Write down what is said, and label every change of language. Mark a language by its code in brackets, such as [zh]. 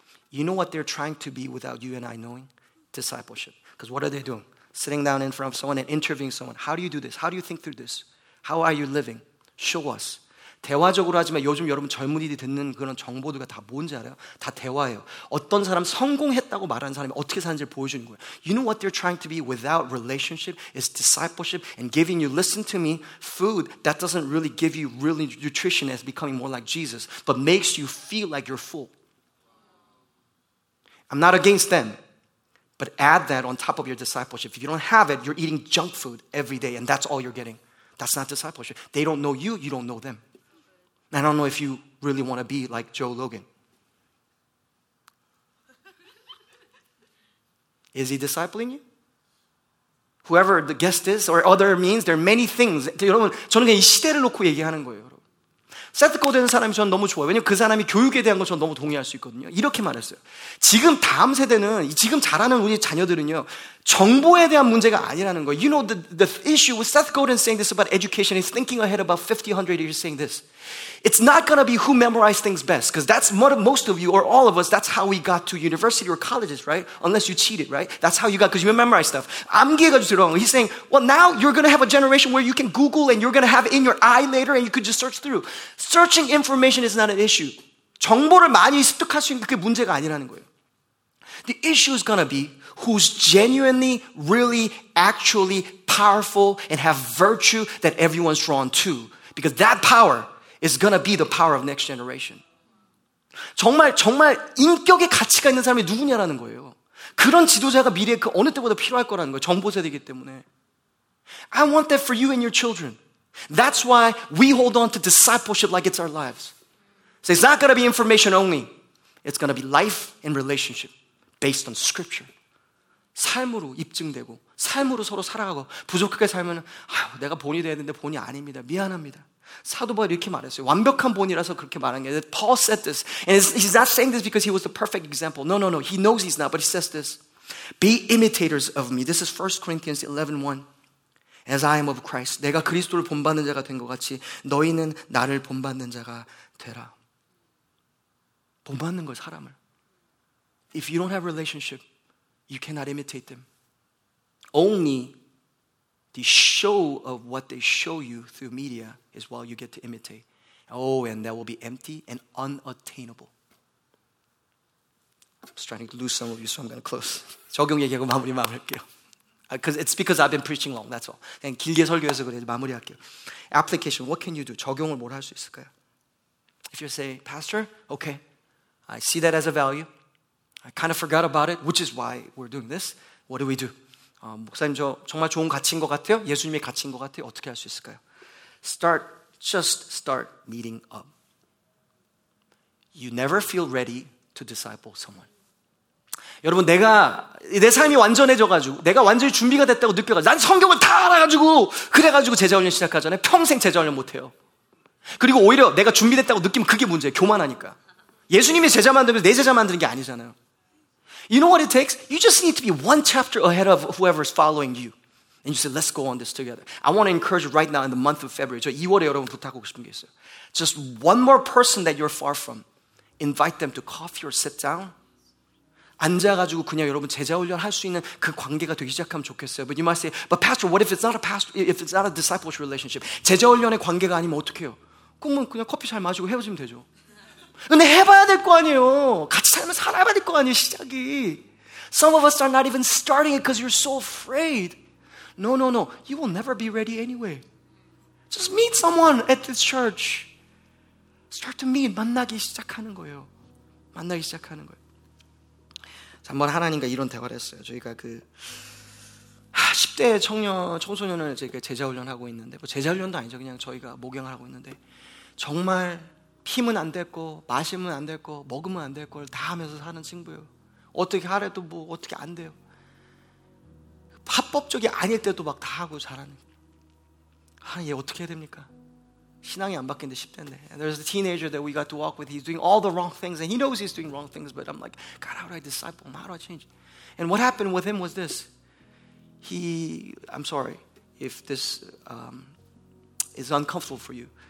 [en] You know what they're trying to be without you and I knowing? Discipleship. Because what are they doing? Sitting down in front of someone and interviewing someone. How do you do this? How do you think through this? How are you living? Show us. [ko] 대화적으로 하지만 요즘 여러분 젊은이들이 듣는 그런 정보들과 다 뭔지 알아요? 다 대화예요. 어떤 사람 성공했다고 말하는 사람이 어떻게 사는지 보여주는 거예요. [en] You know what they're trying to be without relationship? It's discipleship and giving you, listen to me, food that doesn't really give you really nutrition as becoming more like Jesus, but makes you feel like you're full. I'm not against them. But add that on top of your discipleship. If you don't have it, you're eating junk food every day and that's all you're getting. That's not discipleship. They don't know you, you don't know them. I don't know if you really want to be like Joe Logan. Is he discipling you? Whoever the guest is or other means, there are many things. [ko] 여러분, 저는 그냥 이 시대를 놓고 얘기하는 거예요, 여러분. 세트코 되는 사람이 저는 너무 좋아요. 왜냐면 그 사람이 교육에 대한 건 저는 너무 동의할 수 있거든요. 이렇게 말했어요. 지금 다음 세대는, 지금 자라는 우리 자녀들은요, 정보에 대한 문제가 아니라는 거예요. [en] You know, the issue with Seth Godin saying this about education, he's thinking ahead about 50, 100 years saying this. It's not going to be who memorized things best, because that's most of you or all of us, that's how we got to university or colleges, right? Unless you cheated, right? That's how you got, because you memorized stuff. [ko] 암기해가지고 들어온 거. [en] He's saying, well, now you're going to have a generation where you can Google and you're going to have in your eye later and you could just search through. Searching information is not an issue. [ko] 정보를 많이 습득할 수 있는 게 문제가 아니라는 거예요. [en] The issue is going to be who's genuinely, really, actually powerful and have virtue that everyone's drawn to. Because that power is going to be the power of next generation. [ko] 정말 정말 인격의 가치가 있는 사람이 누구냐라는 거예요. 그런 지도자가 미래에 그 어느 때보다 필요할 거라는 거예요. 정보 세대이기 때문에. [en] I want that for you and your children. That's why we hold on to discipleship like it's our lives. So it's not going to be information only. It's going to be life and relationship based on scripture. [ko] 삶으로 입증되고 삶으로 서로 살아가고 부족하게 살면 내가 본이 돼야 되는데 본이 아닙니다. 미안합니다. 사도 바울이 이렇게 말했어요. 완벽한 본이라서 그렇게 말한 게 [en] Paul said this. And he's not saying this because he was the perfect example. No, no, no. He knows he's not, but he says this. Be imitators of me. This is 1 Corinthians 11:1. As I am of Christ. [ko] 내가 그리스도를 본받는 자가 된 것 같이 너희는 나를 본받는 자가 되라. 본받는 걸 사람을. [en] If you don't have a relationship, you cannot imitate them. Only the show of what they show you through media is what you get to imitate. Oh, and that will be empty and unattainable. I'm starting to lose some of you, so I'm going to close. [ko] 적용 얘기하고 마무리 마무리할게요. [en] Because it's because I've been preaching long, that's all. [ko] 그냥 길게 설교해서 그래도 마무리할게요. [en] Application, what can you do? [ko] 적용을 뭘 할 수 있을까요? [en] If you say, Pastor, okay, I see that as a value. I kind of forgot about it, which is why we're doing this. What do we do? [ko] 목사님, 저 정말 좋은 가치인 것 같아요? 예수님의 가치인 것 같아요? 어떻게 할 수 있을까요? Just start meeting up. You never feel ready to disciple someone. 여러분, 내가 내 삶이 완전해져가지고 내가 완전히 준비가 됐다고 느껴가지고 난 성경을 다 알아가지고 그래가지고 제자훈련 시작하잖아요. 평생 제자훈련 못해요. 그리고 오히려 내가 준비됐다고 느끼면 그게 문제예요. 교만하니까. 예수님이 제자 만들면서 내 제자 만드는 게 아니잖아요. [en] You know what it takes? You just need to be one chapter ahead of whoever is following you. And you say, let's go on this together. I want to encourage you right now in the month of February. [ko] 저 2월에 여러분 부탁하고 싶은 게 있어요. [en] Just one more person that you're far from. Invite them to coffee or sit down. [ko] 앉아가지고 그냥 여러분 제자훈련 할 수 있는 그 관계가 되기 시작하면 좋겠어요. [en] But you might say, but pastor, what if it's not a pastor, if it's not a discipleship relationship? [ko] 제자훈련의 관계가 아니면 어떡해요? 그러면 그냥 커피 잘 마시고 헤어지면 되죠. 근데 해봐야 될 거 아니에요. 같이 살면 살아봐야 될 거 아니에요, 시작이. [en] Some of us are not even starting it because you're so afraid. No, no, no. You will never be ready anyway. Just meet someone at this church. Start to meet. [ko] 만나기 시작하는 거예요. 만나기 시작하는 거예요. 한번 하나님과 이런 대화를 했어요. 저희가 그 10대 청년, 청소년을 제자훈련하고 있는데 뭐 제자훈련도 아니죠. 그냥 저희가 목양을 하고 있는데 정말 피면 안 될 거, 마시면 안 될 거, 먹으면 안 될 걸 다 하면서 사는 친구예요. 어떻게 하래도 뭐 어떻게 안 돼요. 합법적이 아닐 때도 막 다 하고 잘하는. 아, 얘 어떻게 해야 됩니까? 신앙이 안 바뀐데 10대인데. [en] And there's a teenager that we got to walk with. He's doing all the wrong things. And he knows he's doing wrong things. But I'm like, God, how do I disciple him? How do I change? And what happened with him was this. I'm sorry if this is uncomfortable for you.